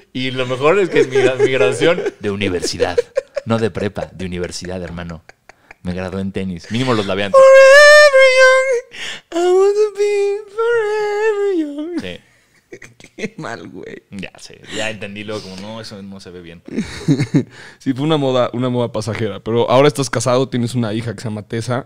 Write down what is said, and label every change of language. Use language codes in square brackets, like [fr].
[es] Y lo mejor es que mi graduación... De universidad. No de prepa, de universidad, hermano. Me gradué en tenis. Mínimo los labiantes. [en] Forever young. I want to be forever young. [es] Sí. Qué mal, güey. Ya sé, ya entendí luego como, no, eso no se ve bien. Sí, fue una moda pasajera. Pero ahora estás casado, tienes una hija que se llama Tessa.